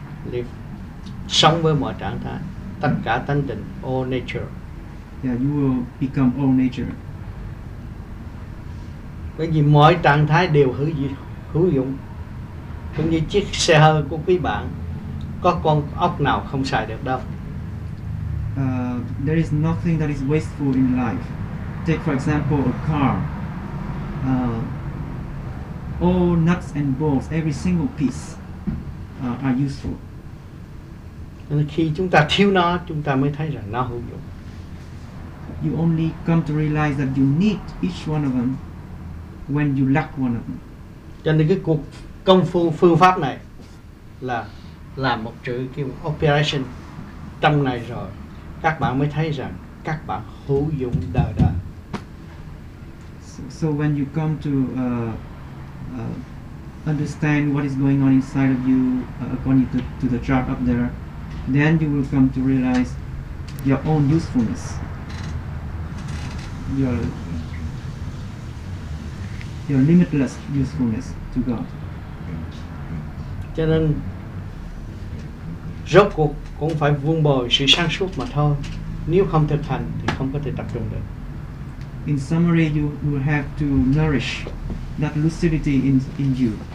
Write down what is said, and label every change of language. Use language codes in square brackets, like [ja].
[vi] live, sống với mọi trạng thái, tất cả tánh tình, [en] all nature. Yeah, you will become all nature. [vi] Bởi vì mọi trạng thái đều hữu dụng. Cũng như chiếc xe hơi của quý bạn, có con ốc nào không xài được đâu. [en] There is nothing that is wasteful in life. Take for example a car. All nuts and bolts, every single piece are useful. [vi] Nên khi chúng ta thiếu nó, chúng ta mới thấy rằng nó hữu dụng. [en] You only come to realize that you need each one of them when you lack one of them. [vi] Cho nên cái cuộc công phu phương pháp này là làm một chữ kêu operation trong này rồi, các bạn mới thấy rằng các bạn hữu dụng đời đời. [en] So when you come to understand what is going on inside of you according to the chart up there, then you will come to realize your own usefulness. Your limitless usefulness to God. [vi] Cho nên rốt cuộc cũng phải vung bồi sự sáng suốt mà thôi. Nếu không thực hành thì không có thể tập trung được. [en] In summary, you will have to nourish that lucidity in you.